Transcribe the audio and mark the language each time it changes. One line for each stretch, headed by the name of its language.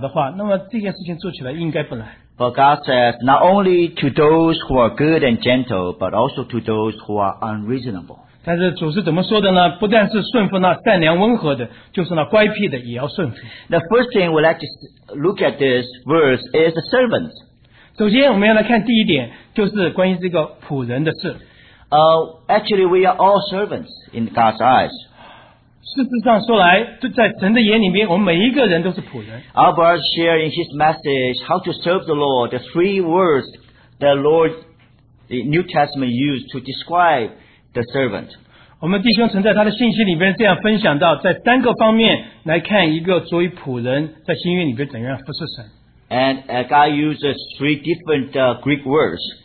Chinese: 当然我们会这样想,如果我们的主人是一个非常温善温和的人,比我们的朋友还好的话,那么这件事情做起来应该不难。
English: But God says, not only to those who are good and gentle, but also to those who are unreasonable.
Chinese: 但是主是怎么说的呢? 不但是顺服那善良温和的,就是那乖僻的也要顺服。
English: The first thing we'd like to look at this verse is the servants.
Chinese: 首先我们要来看第一点,就是关于这个仆人的事。
English: Actually, we are all servants in God's eyes.
Chinese: 事实上说来, 在神的眼里面, 我们每一个人都是仆人。
English: Our brother shared in his message how to serve the Lord, the 3 words the Lord, the New Testament used to describe the servant.
Chinese: 我们弟兄曾在他的信息里面这样分享到, 在3个方面来看一个作为仆人在新约里面怎样服侍神。
English: And God uses 3 different Greek words.